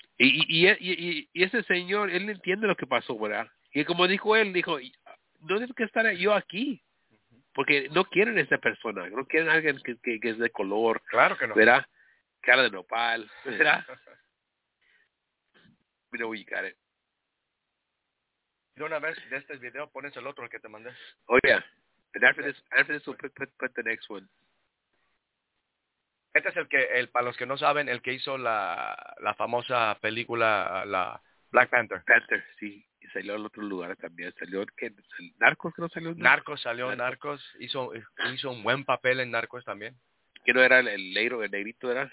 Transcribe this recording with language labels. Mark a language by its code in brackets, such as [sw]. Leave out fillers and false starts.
[es] Y ese señor, él entiende lo que pasó, ¿verdad? Y como dijo él, dijo, no tengo que estar yo aquí, porque no quieren a esa persona, no quieren a alguien que es de color. Claro que no. ¿Verdad? Cara de nopal, ¿verdad? [en] Mira, we got it. [es] De una vez de este video pones el otro que te mandé. [en] Oh yeah. And after this we'll put the next one. [es] Este es el para los que no saben, el que hizo la famosa película la Black Panther. Panther, sí. Y salió al otro lugar también. Salió Narcos, creo que salió. Narcos. Hizo un buen papel en Narcos también. ¿Que no era el negrito, era?